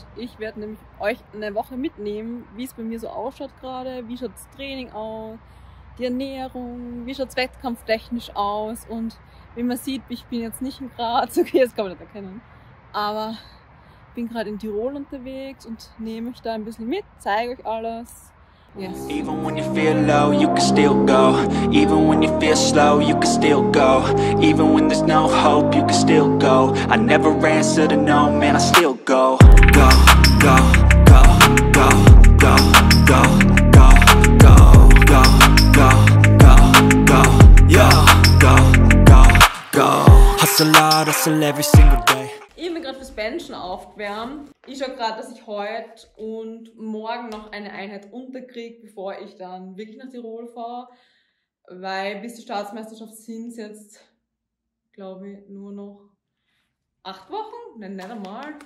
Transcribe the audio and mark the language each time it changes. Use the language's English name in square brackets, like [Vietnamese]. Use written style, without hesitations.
[German] Ich werde nämlich euch eine Woche mitnehmen, wie es bei mir so ausschaut gerade. Wie schaut das Training aus, die Ernährung, wie schaut es wettkampftechnisch aus. Und wie man sieht, ich bin jetzt nicht in Graz, okay, das kann man nicht erkennen. Aber bin gerade in Tirol unterwegs und nehme euch da ein bisschen mit, zeige euch alles. [English] Yes. Even when you feel low, you can still go. Even when you feel slow, you can still go. Even when there's no hope, you can still go. I never answer to no, man, I still go. Go, go, go, go, go, go, go, go, go, go, go, go, go, go, go, go. Hustle hard, hustle every single day. [German] Ich bin gerade fürs Benchen aufgewärmt. Ich schaue gerade, dass ich heute und morgen noch eine Einheit unterkriege, bevor ich dann wirklich nach Tirol fahre. Weil bis zur Staatsmeisterschaft sind es jetzt, glaube ich, nur noch 8 Wochen. Nein, nicht einmal.